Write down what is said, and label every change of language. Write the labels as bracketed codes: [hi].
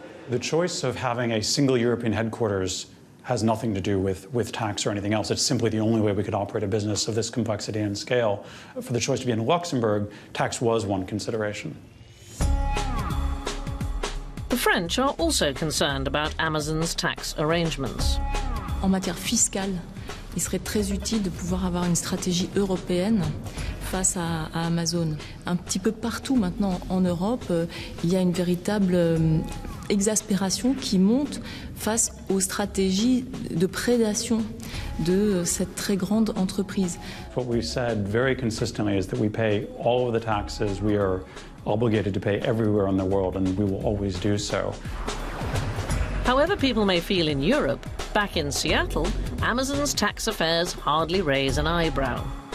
[en] The choice of having a single European headquarters has nothing to do with tax or anything else. It's simply the only way we could operate a business of this complexity and scale. For the choice to be in Luxembourg, tax was one consideration. The French are also concerned about Amazon's tax arrangements. [fr] En matière fiscale, il serait très utile de pouvoir avoir une stratégie européenne face à Amazon. Un petit peu partout maintenant en Europe, il y a une véritable exaspération qui monte face aux stratégies de prédation de cette très grande entreprise. [en] What we've said very consistently is that we pay all of the taxes we are obligated to pay everywhere in the world, and we will always do so. However people may feel in Europe, back in Seattle, Amazon's tax affairs hardly raise an eyebrow.